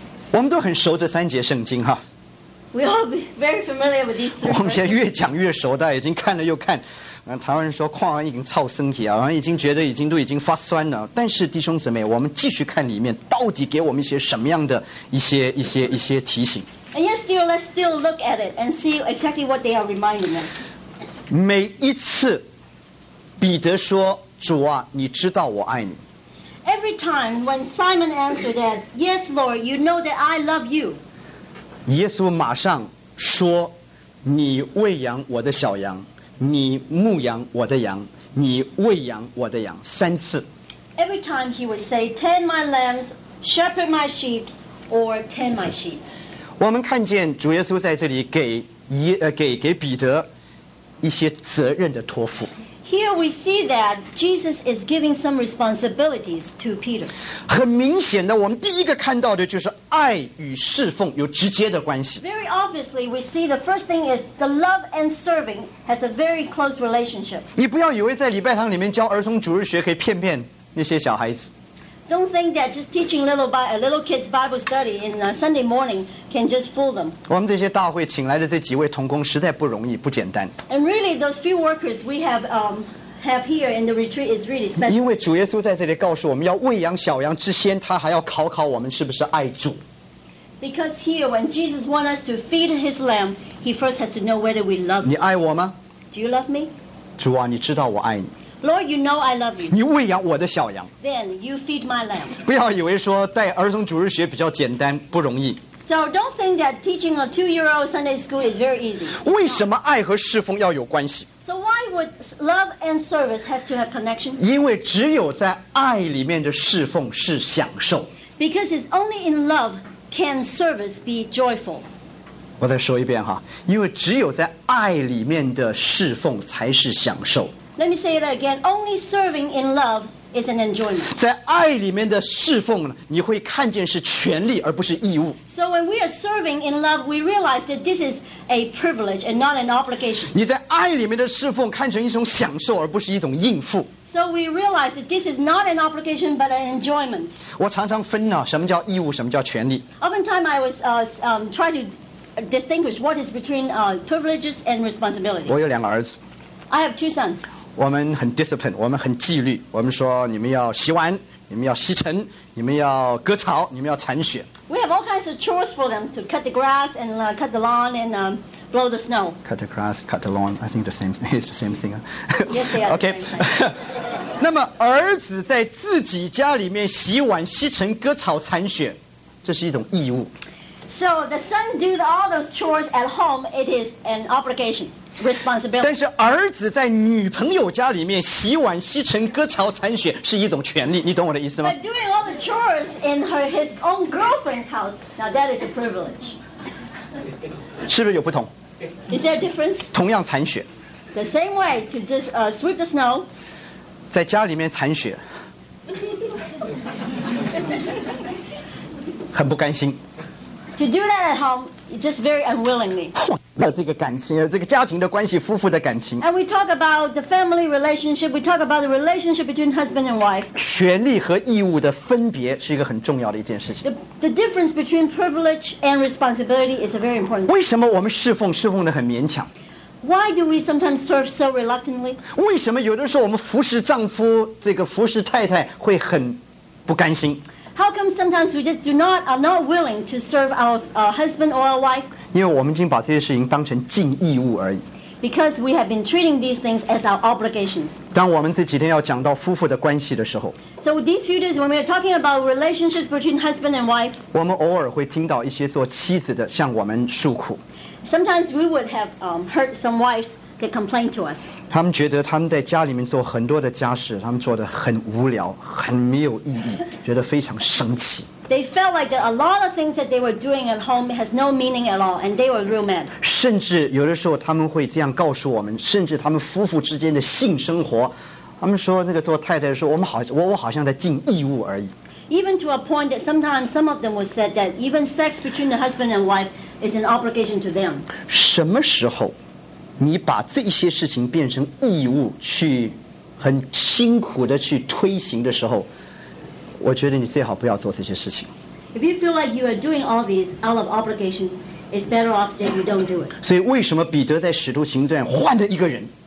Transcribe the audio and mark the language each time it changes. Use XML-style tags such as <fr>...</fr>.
<zh>我们都很熟这三节圣经哈。</zh> <en>We all be very familiar with these.</en> <zh>我们现在越讲越熟，大家已经看了又看。台湾人说矿已经操身体啊，已经觉得已经发酸了。但是弟兄姊妹，我们继续看里面到底给我们一些什么样的一些提醒。</zh> <en>And yet still, let's still look at it and see exactly what they are reminding us.</en> <zh>每一次，彼得说：“主啊，你知道我爱你。”</zh> <en>Every time when Simon answered that, "Yes, Lord, you know that I love you."</en> <zh>耶稣马上说：“你喂养我的小羊，你牧养我的羊，你喂养我的羊三次。</zh> <en>Every time he would say, tend my lambs, shepherd my sheep, or tend my sheep.</en> <zh>我们看见主耶稣在这里给彼得一些责任的托付。</zh> <en>Here we see that Jesus is giving some responsibilities to Peter.</en> <zh>很明显的，我们第一个看到的就是爱与侍奉有直接的关系。</zh> <en>Very obviously, we see the first thing is the love and serving has a very close relationship.</en> <zh>你不要以为在礼拜堂里面教儿童主日学可以骗骗那些小孩子。</zh> <en>Don't think that just teaching little kids Bible study in a Sunday morning can just fool them.</en> <zh>我们这些大会请来的这几位同工实在不容易，不简单。</zh> <en>And really, those few workers we have here in the retreat is really special.</en> <zh>因为主耶稣在这里告诉我们要喂养小羊之前，他还要考考我们是不是爱主。</zh> <en>Because here, when Jesus wants us to feed His lamb, He first has to know whether we love.</en> <zh>你爱我吗</zh> <en>？Do you love me?</en> <zh>主啊，你知道我爱你。</zh> <en>Lord, you know I love you.</en> <zh>你喂养我的小羊。</zh> <en>Then you feed my lamb.</en> <zh>不要以为说带儿童主日学比较简单，不容易。</zh> <en>So don't think that teaching a two-year-old Sunday school is very easy.</en> <zh>为什么爱和侍奉要有关系</zh> <en>？So why would love and service have to have connection?</en> <zh>因为只有在爱里面的侍奉是享受。</zh> <en>Because it's only in love can service be joyful.</en> <zh>我再说一遍哈，因为只有在爱里面的侍奉才是享受。</zh> <en>Let me say it again. Only serving in love is an enjoyment.</en> <zh>在爱里面的侍奉，你会看见是权利而不是义务。</zh> <en>So when we are serving in love, we realize that this is a privilege and not an obligation.</en> <zh>你在爱里面的侍奉看成一种享受而不是一种应付。</zh> <en>So we realize that this is not an obligation but an enjoyment.</en> <zh>我常常分呢，什么叫义务，什么叫权利。</zh> <en>Oftentimes I was try to distinguish what is between privileges and responsibilities.</en> <zh>我有两个儿子。</zh> <en>I have two sons.</en> <zh>我们很 disciplined， 我们很纪律。我们说你们要洗碗，你们要吸尘，你们要割草，你们要铲雪。</zh> <en>We have all kinds of chores for them to cut the grass and cut the lawn and blow the snow. Cut the grass, cut the lawn. I think the same thing. It's the same thing. Yes, they are. Okay.</en> <zh>那么儿子在自己家里面洗碗、吸尘、割草、铲雪，这是一种义务。</zh> <en>So the son do all those chores at home. It is an obligation.</en> <zh>但是儿子在女朋友家里面洗碗、吸尘、割草、铲雪是一种权利，你懂我的意思吗</zh> <en>？But doing all the chores in his own girlfriend's house, now that is a privilege.</en> <zh>是不是有不同</zh> <en>？Is there a difference?</en> <zh>同样铲雪。</zh> <en>The same way to just sweep the snow.</en> <zh>在家里面铲雪，很不甘心。</zh> <en>To do that at home. Just very unwillingly.</en> <zh>那这个感情，这个家庭的关系，夫妇的感情。</zh> <en>And we talk about the family relationship. We talk about the relationship between husband and wife.</en> <zh>权利和义务的分别是一个很重要的一件事情。</zh> <en>The difference between privilege and responsibility is a very important.</en> <zh>为什么我们侍奉得很勉强</zh> <en>？Why do we sometimes serve so reluctantly？</en> <zh>为什么有的时候我们服侍丈夫，这个服侍太太会很不甘心？</zh> <en>How come sometimes we just are not willing to serve our husband or our wife?</en> <zh>因为我们已经把这些事情当成尽义务而已。</zh> <en>Because we have been treating these things as our obligations.</en> <zh>当我们这几天要讲到夫妇的关系的时候</zh> <en>，So these few days when we are talking about relationships between husband and wife,</en> <zh>我们偶尔会听到一些做妻子的向我们诉苦。</zh> <en>Sometimes we would have heard some wives that complain to us.</en> <zh>他们觉得他们在家里面做很多的家事，他们做得很无聊，很没有意义，觉得非常生气。</zh> <en>They felt like a lot of things that they were doing at home has no meaning at all, and they were real mad.</en> <zh>甚至有的时候他们会这样告诉我们，甚至他们夫妇之间的性生活，他们说那个做太太说我好像在尽义务而已。</zh> <en>Even to a point that sometimes some of them would say that even sex between the husband and wife is an obligation to them.</en> <zh>什么时候，你把这些事情变成义务，去很辛苦的去推行的时候，我觉得你最好不要做这些事情。</zh> <en>If you feel like you are doing all these out of obligation, it's better off that you don't do it.</en> <zh>所以为什么彼得在使徒行传换了一个人</zh>